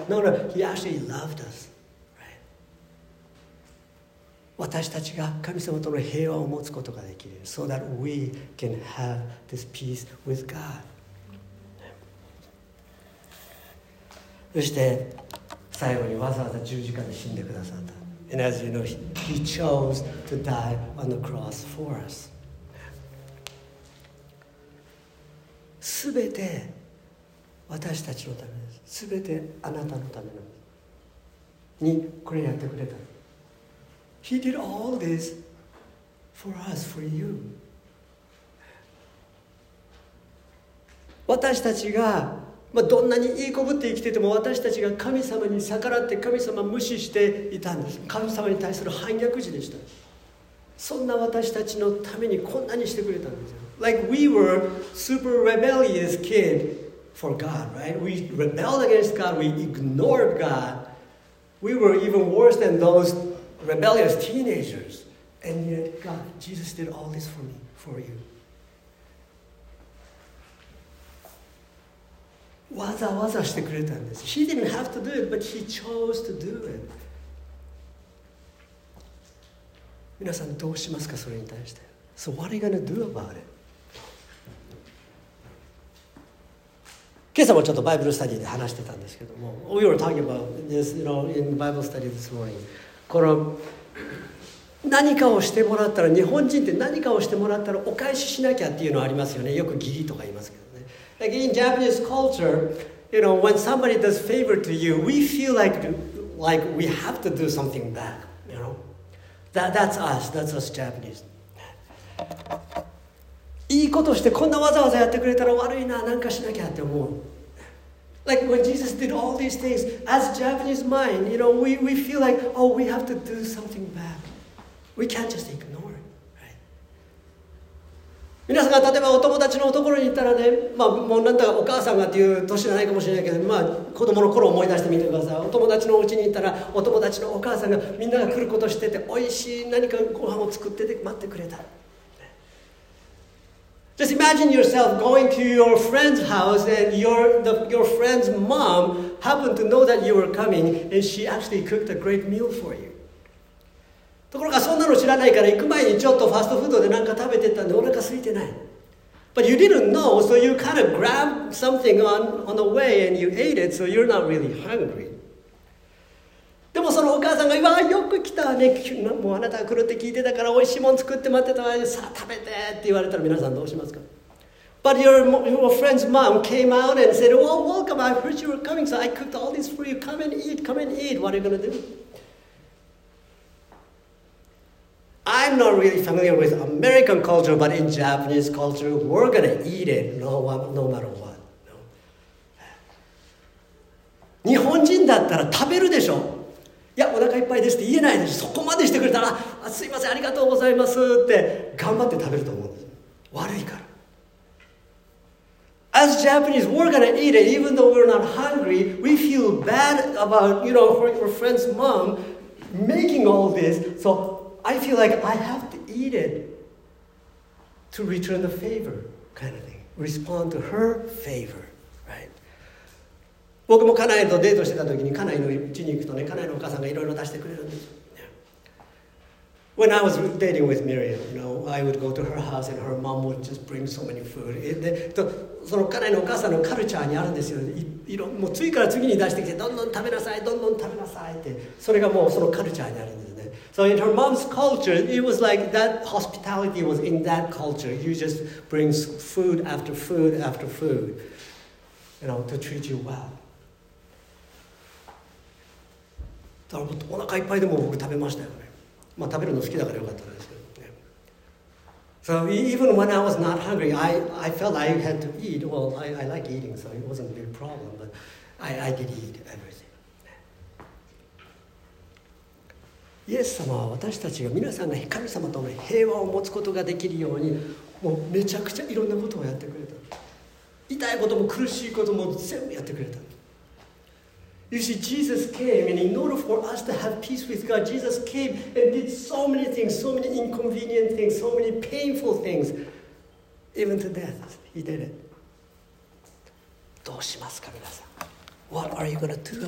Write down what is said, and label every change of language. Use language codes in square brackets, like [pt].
[en] No, no, he actually loved us. Right? [ja] 私たちが神様との平和を持つことができる。 [en] So that we can have this peace with God. [ja] そして最後にわざわざ十字架で死んでくださった。 [en] And as you know, he chose to die on the cross for us. [ja] すべて私たちのためです。すべてあなたのためなんです。にこれやってくれた。 [en] He did all this for us, for you. [ja] 私たちがまあ、どんなにいいこぶって生きてても私たちが神様に逆らって神様無視していたんです。神様に対する反逆児でした。そんな私たちのためにこんなにしてくれたんですよ。 [en] Like we were super rebellious kid for God, right? We rebelled against God, we ignored God. We were even worse than those rebellious teenagers. And yet God, Jesus did all this for me, for you. [ja] わざわざしてくれたんです。 [en] He didn't have to do it, but he chose to do it. [ja] 皆さんどうしますか、それに対して。 [en] So what are you gonna do about it? [ja] 今朝もちょっとバイブルスタディで話してたんですけども、 [en] We were talking about this, you know, in Bible study this morning. [ja] この何かをしてもらったら、日本人って何かをしてもらったらお返ししなきゃっていうのありますよね。よく義理とか言いますけど。 [en] Like in Japanese culture, you know, when somebody does favor to you, we feel like we have to do something back, you know. That's us Japanese. [ja] いいことしてこんなわざわざやってくれたら悪いな、なんかしなきゃって思う。 [en] Like when Jesus did all these things, as Japanese mind, you know, we feel like, oh, we have to do something back. We can't just ignore. [ja] 皆さんが例えばお友達のところに行ったらね、まあ、もうなんだかお母さんがっていう年じゃないかもしれないけど、まあ、子供の頃思い出してみてください。お友達のお家に行ったら、お友達のお母さんがみんなが来ることしてて、おいしい何かご飯を作ってて待ってくれた。 [en] Just imagine yourself going to your friend's house and your friend's mom happened to know that you were coming and she actually cooked a great meal for you. [ja] ところがそんなの知らないから行く前にちょっとファストフードで何か食べてたんでお腹空いてない。 [en] But you didn't know, so you kind of grabbed something on the way and you ate it, so you're not really hungry. [ja] でもそのお母さんが、わあよく来たね、もうあなたが来るって聞いてたから美味しいもん作って待ってたわよ、さあ食べてって言われたら皆さんどうしますか。 [en] But your friend's mom came out and said, well, welcome, I heard you were coming, so I cooked all this for you, come and eat, what are you going to do? I'm not really familiar with American culture, but in Japanese culture, we're gonna eat it no matter what. No. [ja] 日本人だったら食べるでしょ。いや、お腹いっぱいですって言えないでしょ。そこまでしてくれたら、あ、すいません、ありがとうございますって頑張って食べると思うんです。悪いから。 [en] As Japanese, we're gonna eat it even though we're not hungry. We feel bad about, you know, for your friend's mom making all this. So,I feel like I have to eat it to return the favor, kind of thing. Respond to her favor, right? [ja] 僕も家内とデートしてた時に家内の家に行くとね、家内のお母さんがいろいろ出してくれるんです。 [en] Yeah. When I was dating with Miriam, you know, I would go to her house and her mom would just bring so many food. [ja] で、その家内のお母さんのカルチャーにあるんですよ。もう次から次に出してきて、どんどん食べなさい、どんどん食べなさいって、それがもうそのカルチャーにあるんです。 [en] So in her mom's culture, it was like that hospitality was in that culture. You just bring food after food after food, you know, to treat you well. [ja] だからお腹いっぱいでも僕食べましたよね。まあ食べるの好きだからよかったですけどね。 [en] So even when I was not hungry, I felt I had to eat. Well, I like eating, so it wasn't a big problem, but I did eat everything. [ja] イエス様は私たちが、皆さんが神様との平和を持つことができるように、もうめちゃくちゃいろんなことをやってくれた。痛いことも苦しいことも全部やってくれた。 [en] You see, Jesus came, and in order for us to have peace with God, Jesus came and did so many things, so many inconvenient things, so many painful things, even to death. He did it. [ja] どうしますか、皆さん。 [en] What are you going to do about it?